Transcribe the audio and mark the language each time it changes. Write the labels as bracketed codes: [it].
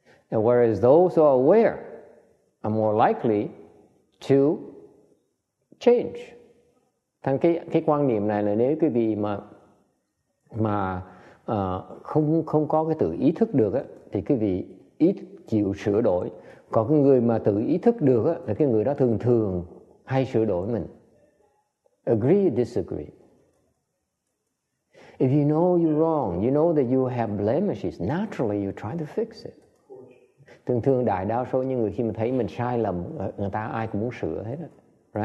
[en] And whereas those who are aware are more likely to change. [vi] Thằng cái quan niệm này là nếu quý vị mà không có cái tự ý thức được á, thì quý vị ít chịu sửa đổi. Còn cái người mà tự ý thức được á, là cái người đó thường thường hay sửa đổi mình. [en] Agree, disagree. If you know you're wrong, you know that you have blemishes, naturally you try to fix it. [vi] Thường thường đại đa số những người khi mà thấy mình sai lầm, người ta ai cũng muốn sửa hết á.